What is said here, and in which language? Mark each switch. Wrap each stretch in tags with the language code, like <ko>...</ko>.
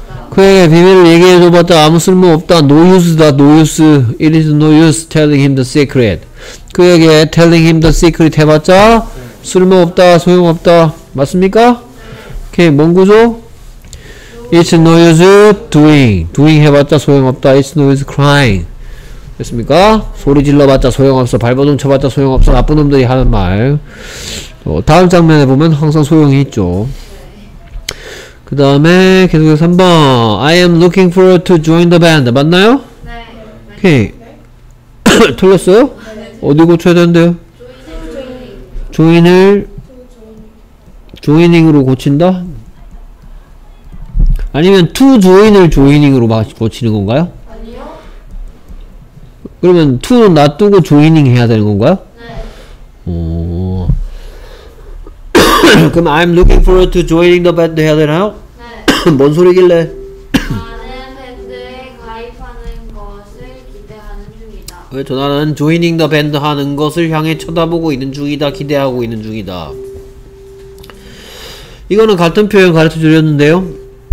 <ko>그에게 비밀을 얘기해줘봤자 아무 쓸모 없다.</ko> <en>No use다. No use. It is no use telling him the secret.</en> <ko>그에게</ko> <en>telling him the secret</en> <ko>해봤자 쓸모 없다. 소용 없다. 맞습니까? 오케이. 뭔 구조?</ko> <en>It's no use doing. Doing</en> <ko>해봤자 소용 없다.</ko> <en>It's no use crying. 됐습니까?</en> <ko>소리 질러봤자 소용 없어. 발버둥 쳐봤자 소용 없어. 나쁜 놈들이 하는 말. 다음 장면에 보면 항상 소용이 있죠. 그 다음에 계속해서</ko> <en>3번 I am looking forward to join the band. 맞나요?</en> <ko>네. 오케이. 네. 틀렸어요? 네. 어디 고쳐야 되는데요? 조인을 조이닝으로 고친다? 아니면 to join을 조이닝으로 고치는 건가요? 아니요. 그러면 to는 놔두고 조이닝 해야 되는 건가요? 네. 오.</ko> <en>그럼 I'm looking forward to joining the band</en> <ko>해야 되나요? 네. 뭔 소리길래? 나는 밴드에 가입하는 것을 기대하는 중이다. 그렇죠. 나는 joining the band 하는 것을 향해 쳐다보고 있는 중이다. 기대하고 있는 중이다. 이거는 같은 표현 가르쳐 드렸는데요.</ko>